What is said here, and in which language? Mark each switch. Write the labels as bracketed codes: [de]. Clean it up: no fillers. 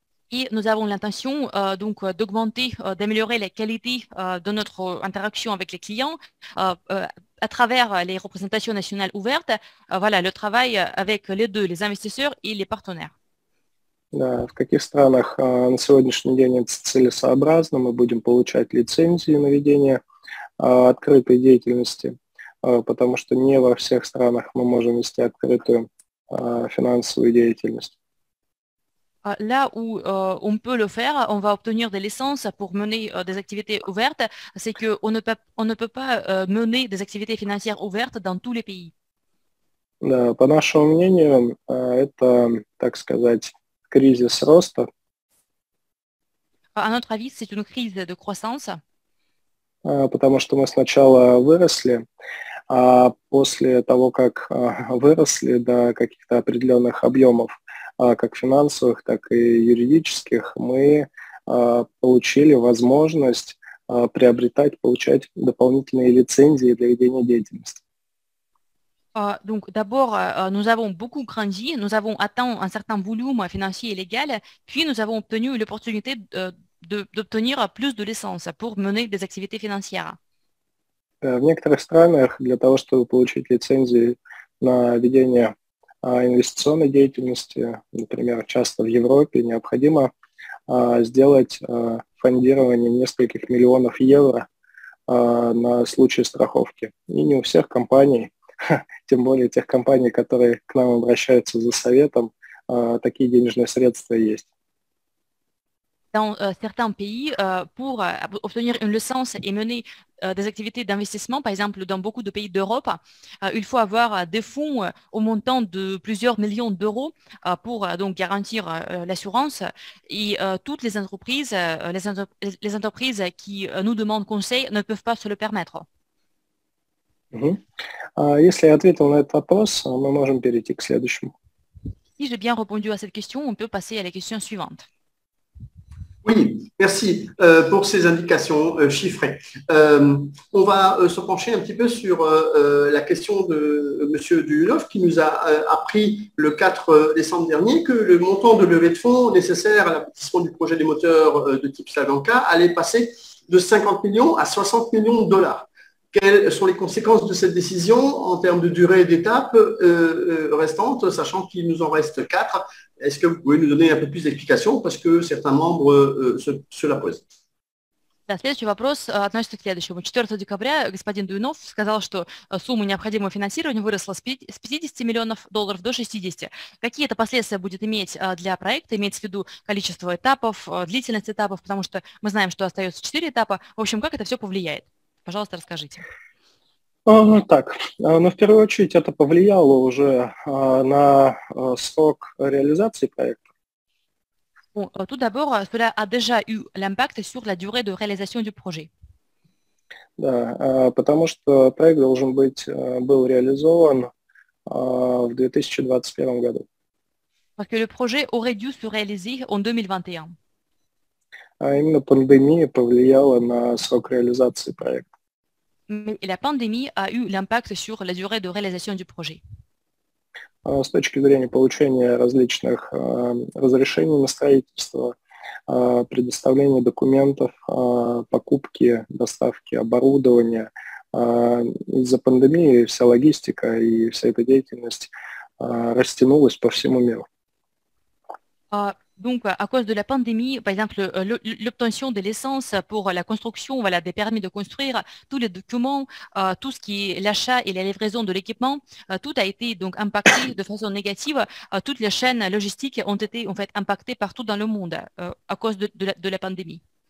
[fr] Et nous avons l'intention donc d'augmenter, d'améliorer la qualité de notre interaction avec les clients à travers les représentations nationales ouvertes. Voilà, le travail avec les deux, les investisseurs et les partenaires. [ru] Да, в каких странах на сегодняшний день это целесообразно, мы будем получать лицензии на ведение открытой деятельности, потому что не во всех странах мы можем вести открытую финансовую деятельность. [fr] Là où on peut le faire, on va obtenir des licences pour mener des activités ouvertes, c'est qu'on ne peut, pas mener des activités financières ouvertes dans tous les pays. [ru] Да, по нашему мнению, это, так сказать, кризис роста. [fr] À notre avis, c'est une crise de croissance. [ru] Потому что мы сначала выросли, а после того, как выросли до каких-то определенных объемов, как финансовых, так и юридических, мы получили возможность приобретать, получать дополнительные лицензии для ведения деятельности. [fr] Donc, d'abord, nous avons beaucoup grandi, nous avons atteint un certain volume financier et légal, puis nous avons obtenu l'opportunité d'obtenir plus de licences pour mener des activités financières. [ru] В некоторых странах для того, чтобы получить лицензии на ведение инвестиционной деятельности, например, часто в Европе, необходимо сделать фондирование нескольких миллионов евро на случай страховки. И не у всех компаний, тем более тех компаний, которые к нам обращаются за советом, такие денежные средства есть. [fr] Dans certains pays, pour obtenir une licence et mener des activités d'investissement, par exemple dans beaucoup de pays d'Europe, il faut avoir des fonds au montant de plusieurs millions d'euros pour donc garantir l'assurance. Et toutes les entreprises, les entreprises qui nous demandent conseil ne peuvent pas se le permettre. [ru] Если я ответил на этот вопрос, мы можем перейти к следующему. [fr] Si j'ai bien répondu à cette question, on peut passer à la question suivante. Oui, merci pour ces indications chiffrées. On va se pencher un petit peu sur la question de M. Duhulov qui nous a appris le 4 décembre dernier que le montant de levée de fonds nécessaire à l'aboutissement du projet des moteurs de type Slavanka allait passer de 50 millions à 60 millions de dollars. Quelles sont les conséquences de cette décision en termes de durée d'étape restante, sachant qu'il nous en reste 4? Est-ce que vous pouvez nous donner un peu plus d'explications parce que certains membres se la posent? [ru] Следующий вопрос относится к следующему. 4 декабря господин Дуйнов сказал, что сумма необходимого финансирования выросла с 50 миллионов долларов до 60. Какие это последствия будет иметь для проекта, имеется в виду количество этапов, длительность этапов, потому что мы знаем, что остается 4 этапа. В общем, как это все повлияет? Пожалуйста, расскажите. В первую очередь это повлияло уже на срок реализации проекта. [fr] Bon, tout d'abord, cela a déjà eu l'impact sur la durée de réalisation du projet. [ru] Да, потому что проект должен быть был реализован в 2021 году. [fr] Parce que le projet aurait dû se réaliser en 2021. [ru] А именно пандемия повлияла на срок реализации проекта. [fr] Mais la pandémie a eu l'impact sur la durée de réalisation du projet. [ru] С точки зрения получения различных разрешений на строительство, предоставления документов, покупки, доставки оборудования, из-за пандемии вся логистика и вся эта деятельность растянулась по всему миру. [fr] Donc, à cause de la pandémie, par exemple, l'obtention de l'essence pour la construction, voilà, des permis de construire, tous les documents, tout ce qui est l'achat et la livraison de l'équipement, tout a été donc impacté de façon négative. Toutes les chaînes logistiques ont été en fait impactées partout dans le monde à cause de la pandémie.